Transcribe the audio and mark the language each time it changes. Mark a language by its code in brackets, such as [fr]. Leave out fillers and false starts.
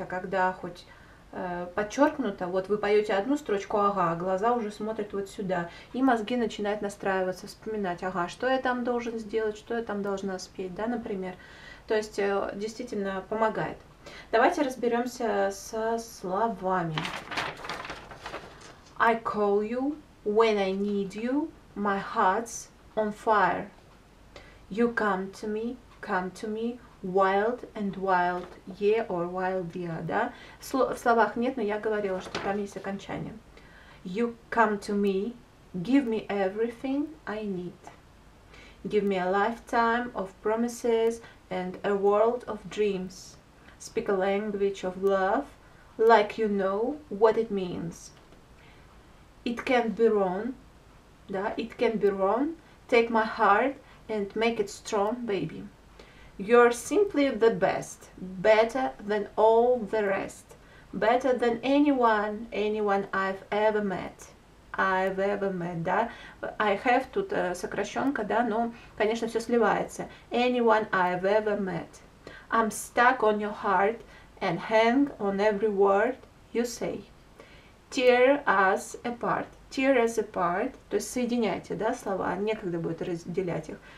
[ru] А когда хоть подчеркнуто, вот вы поете одну строчку, ага, глаза уже смотрят вот сюда, и мозги начинают настраиваться, вспоминать, ага, что я там должен сделать, что я там должна спеть, да, например. То есть действительно помогает. Давайте разберемся со словами. [en] I call you when I need you, my heart's on fire. You come to me, wild and wild, ye or wildia, [ru] да? В словах нет, но я говорила, что там есть окончание. [en] You come to me, give me everything I need. Give me a lifetime of promises and a world of dreams. Speak a language of love, like you know what it means. It can't be wrong, [ru] да? [en] It can't be wrong, take my heart and make it strong, baby. You're simply the best, better than all the rest, better than anyone I've ever met. [ru] Да? [en] I have [ru] тут сокращенка, да, но, конечно, все сливается. [en] Anyone I've ever met. I'm stuck on your heart and hang on every word you say. Tear us apart. Tear us apart. [ru] То есть соединяйте, да, слова, некогда будет разделять их.